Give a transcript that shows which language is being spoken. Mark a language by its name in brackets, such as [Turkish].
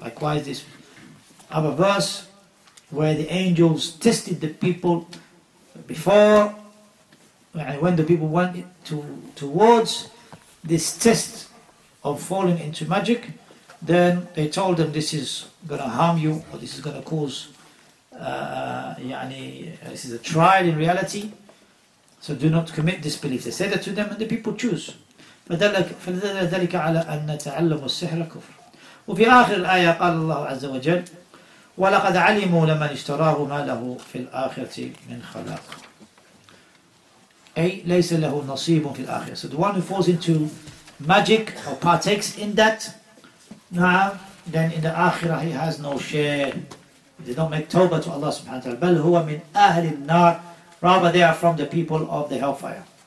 [English] Likewise, this other verse where the angels tested the people before, when the people went towards this test of falling into magic, then they told them this is going to harm you, or this is going to cause this is a trial in reality, so do not commit disbelief. They said that to them, and the people choose. [Arabic] فذلك على أن تعلم السحر كفر. وفي آخر الآية قال الله عز وجل ولقد علموا لمن اشتراه ما له في الآخرة من خلاق أي ليس له نصيب في الآخرة. [English] So the one who falls into magic or partakes in that, then in the Akhirah he has no share. He did not make tawbah to Allah subhanahu wa ta'ala. [Arabic] بَلْ هُوَ مِنْ أَهْلِ النَّارِ. [English] Rather they are from the people of the hellfire.